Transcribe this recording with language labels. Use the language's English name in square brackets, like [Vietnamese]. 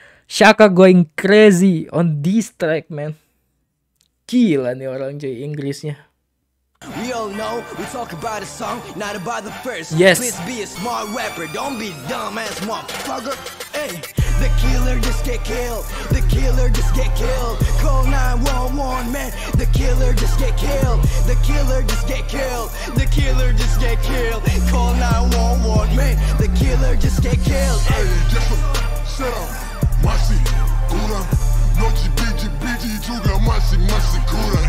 [English] Xhaka going crazy on this track, man. [Indonesian] Gila nih orang, cuy, Inggrisnya. [English] We all know, we talk about a song, not about the first. Yes. Please be a smart rapper, don't be dumb ass motherfucker. Hey, the killer just get killed. The killer just get killed. Call 911, man. The killer just get killed. The killer just get killed. The killer just get killed. Call 911, man. The killer just get killed. Hey, just shut up. Watch it, cool down. Noji biji biji juga masih masih kurang.